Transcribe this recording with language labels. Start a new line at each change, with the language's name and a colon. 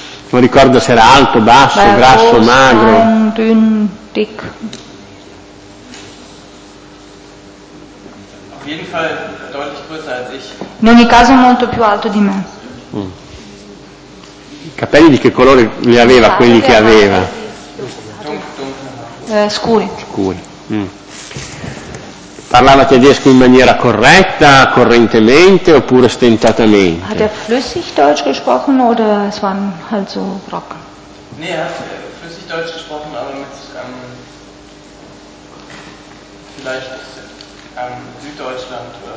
Italian: Non ricordo se era alto, basso, war grasso,
German: groß,
Italian: magro.
German: Klein, dünn, dick. Auf jeden Fall deutlich größer als ich.
Italian: In ogni caso molto più alto di me. Mm. Capelli di che colore li aveva, esatto, quelli che aveva? Scuri. Scuri. Parlava tedesco in maniera corretta, correntemente oppure stentatamente?
German: Hat flüssig Deutsch gesprochen oder es waren halt so Brocken? Nee, hat flüssig Deutsch gesprochen, aber mit vielleicht Süddeutschland